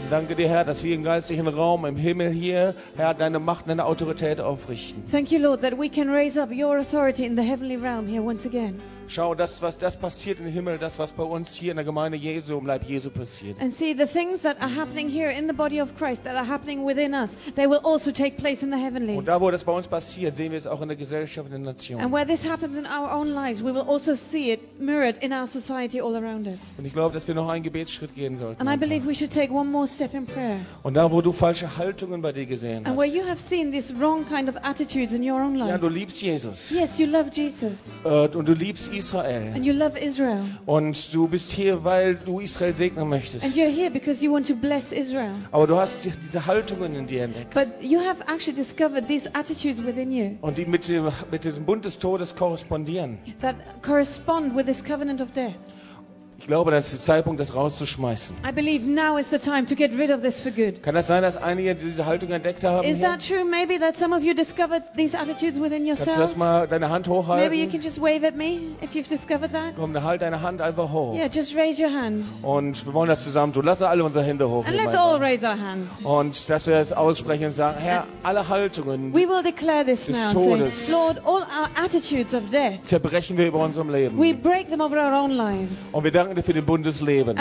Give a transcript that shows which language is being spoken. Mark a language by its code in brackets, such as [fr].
[de] Danke dir, Herr, dass wir im geistlichen Raum im Himmel hier, Herr, deine Macht, deine Autorität aufrichten. [en] Thank you, Lord, that we can raise up your authority in the heavenly realm here once again. [de] Schau, das, was das passiert im Himmel, das, was bei uns hier in der Gemeinde Jesu, im Leib Jesu passiert. [en] And see, the things that are happening here in the body of Christ, that are happening within us, they will also take place in the heavenlies. [de] Und da, wo das bei uns passiert, sehen wir es auch in der Gesellschaft, in der Nation. [en] And where this happens in our own lives, we will also see it mirrored in our society all around us. [de] Und ich glaube, dass wir noch einen Gebetsschritt gehen sollten. [en] And I believe we should take one more step in prayer. [de] Und da, wo du falsche Haltungen bei dir gesehen hast. [en] And where you have seen these wrong kind of attitudes in your own life. [de] Ja, du liebst Jesus. [en] Yes, you love Jesus. [de] Und du liebst Israel. [en] And you love Israel. [de] Und du bist hier, weil du Israel segnen möchtest. [en] And you're here because you want to bless Israel. [de] Aber du hast diese Haltungen in dir entdeckt. [en] But you have actually discovered these attitudes within you. [de] Und die mit dem Bund des Todes korrespondieren. [en] That correspond with this covenant of death. [de] Ich glaube, das ist der Zeitpunkt, das rauszuschmeißen. [en] I believe now is the time to get rid of this for good. [de] Kann das sein, dass einige diese Haltung entdeckt haben? [en] Is that true? Maybe that some of you discovered these attitudes within yourselves. [de] Kannst du das mal deine Hand hochhalten? [en] Maybe you can just wave at me if you've discovered that. [de] Komm, halt deine Hand einfach hoch. [en] Yeah, just raise your hand. [de] Und wir wollen das zusammen tun. Lass alle unsere Hände hoch. [en] And let's all raise our hands. [de] Und dass wir es aussprechen und sagen, Herr, alle Haltungen [en] we will declare this [de] des [en] now, [de] Todes, [en] say, Lord, all our attitudes of death, [de] zerbrechen wir über unserem Leben. [en] We break them over our own lives. [de] Und wir danken dir für den Bund des Lebens.